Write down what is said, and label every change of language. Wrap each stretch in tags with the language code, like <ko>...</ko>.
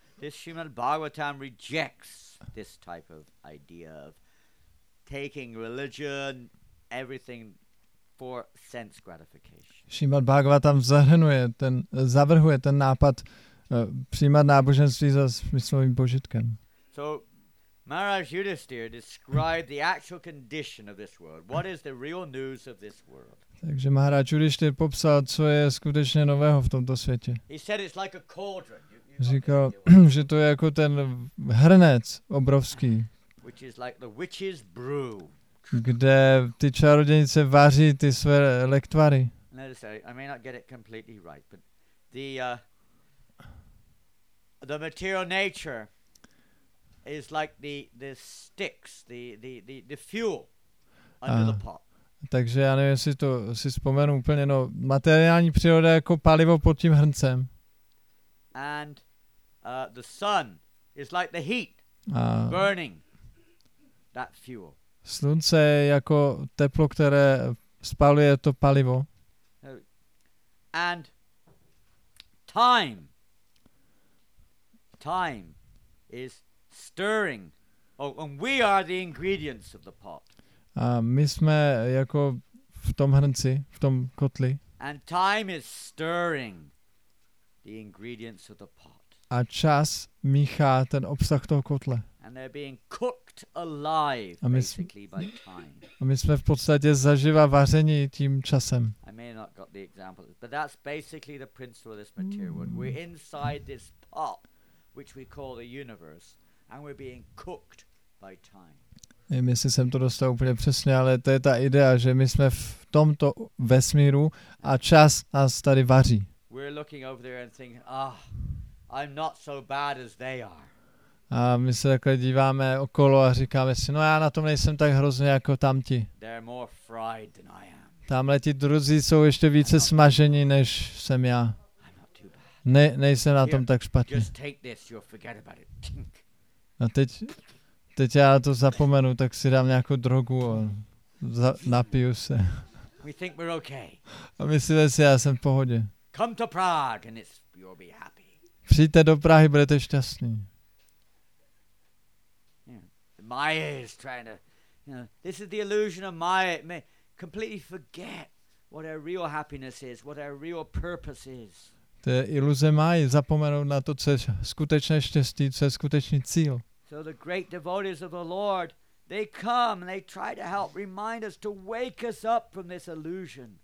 <en>This Srimad Bhagavatam rejects this type of idea of taking religion, everything for sense gratification.</en> <cs>Srimad Bhagavatam zavrhuje ten nápad přijímat náboženství za smyslovým požitkem.</cs> <en>So, Maharaj Yudhisthira described the actual condition of this world. What is the real news of this world?</en> <cs>Takže Maharaj Yudhisthira popsal, co je skutečně nového v tomto světě.</cs> <en>He said it's like a cauldron.</en> <cs>Říkal, že to je jako ten hrnec obrovský.</cs> <en>Which is like the witch's brew.</en> <cs>Kde ty čarodějnice vaří ty své lektvary.</cs> <en>I may not get it completely right, but the material nature is like the sticks, the fuel under the pot.</en> <cs>Takže já nevím, jestli to si vzpomenu úplně, no materiální příroda jako palivo pod tím hrncem.</cs> <en>And the sun is like the heat burning that fuel.</en> <cs>Slunce je jako teplo, které spaluje to palivo.</cs> <en>And time is stirring. Oh, and we are the ingredients of the pot.</en> <cs>A my jsme jako v tom hrnci, v tom kotli.</cs> <en>And time is stirring the ingredients of the pot.</en> <cs>A čas míchá ten obsah toho kotle.</cs> <en>And they're being cooked alive, basically by time.</en> <cs>A my jsme v podstatě zaživa vaření tím časem.</cs> <en>I may not got the example, but that's basically the principle of this material. We're inside this pot, which we call the universe. And we're being cooked by time.</en> <cs>Nevím, jestli jsem to dostal úplně přesně, ale to je ta idea, že my jsme v tomto vesmíru a čas nás tady vaří.</cs> <en>We're looking over there and thinking, ah, I'm not so bad as they are.</en> <cs>A my se takhle díváme okolo a říkáme si, no já na tom nejsem tak hrozně jako tamti.</cs> <en>They're more fried than I am.</en> <cs>Tamhle ti druzí jsou ještě více smažení než jsem já.</cs> <en>I'm not too bad.</en> <cs>Nejsem na tom tak špatně.</cs> <en>Just take this, you'll forget about it.</en> <cs>A teď já to zapomenu, tak si dám nějakou drogu a napiju se.</cs> <en>We think we're okay.</en> <cs>A myslíme si, já jsem v pohodě.</cs> <en>Come to Prague and you'll be happy.</en> <cs>Přijďte do Prahy, budete šťastní.</cs> <en>Yeah. Maya is trying to, you know, this is the illusion of Maya. It may completely forget what our real happiness is, what our real purpose is.</en> <cs>To je iluze Máji, zapomenout na to, co je skutečné štěstí, co je skutečný cíl.</cs> <en>So the great devotees of the Lord, they come and they try to help remind us to wake us up from this illusion.</en>